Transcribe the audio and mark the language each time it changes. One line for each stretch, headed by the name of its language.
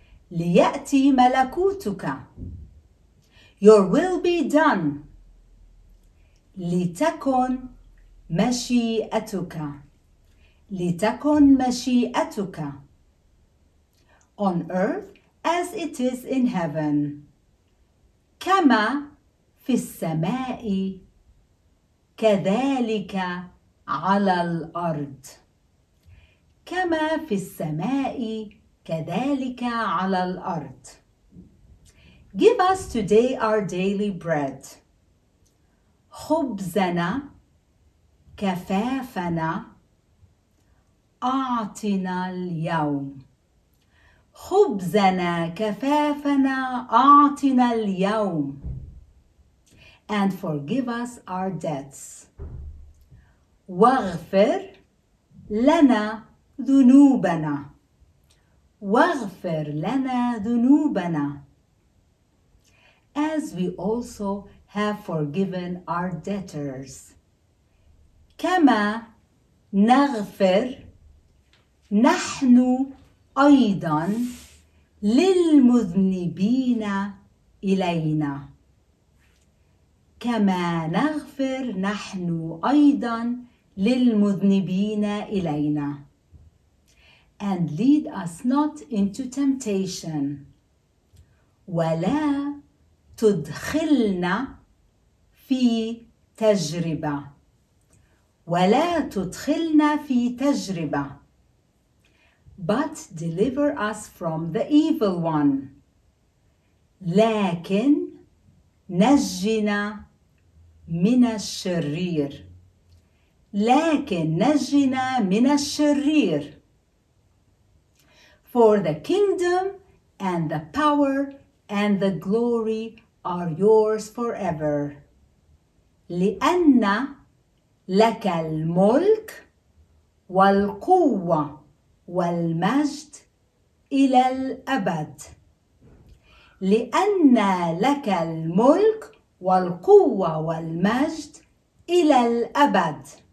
Arabic: ليأتي ملكوتك.
English: Your will be done.
Arabic: لتكن مشيئتك. لتكن مشيئتك.
English: On earth as it is in heaven.
Arabic: كما في السماء كذلك على الأرض. كما في السماء كذلك على الأرض.
English: Give us today our daily bread.
Arabic: خبزنا كفافنا أعطنا اليوم. خبزنا كفافنا أعطنا اليوم.
English: And forgive us our debts.
Arabic: واغفر لنا ذنوبنا. واغفر لنا ذنوبنا.
English: As we also have forgiven our debtors.
Arabic: كما نغفر نحن أيضا للمذنبين إلينا. كما نغفر نحن أيضا للمذنبين إلينا.
English: And lead us not into temptation.
Arabic: ولا تدخلنا في تجربة. ولا تدخلنا في تجربة.
English: But deliver us from the evil one.
Arabic: لكن نجنا من الشرير. لكن نجنا من الشرير.
English: For the kingdom and the power and the glory are yours forever.
Arabic: لأن لك الملك والقوة والمجد إلى الأبد. لأن لك الملك والقوة والمجد إلى الأبد.